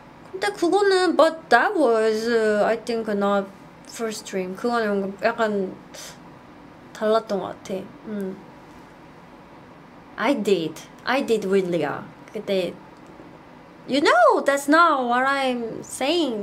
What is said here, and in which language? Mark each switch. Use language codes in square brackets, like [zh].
[ko] 근데 그거는 [en] but that was I think not first stream. [ko] 그거는 약간 달랐던 것 같아. [en] I did with Leah. [ko] 그때 [en] you know that's not what I'm saying.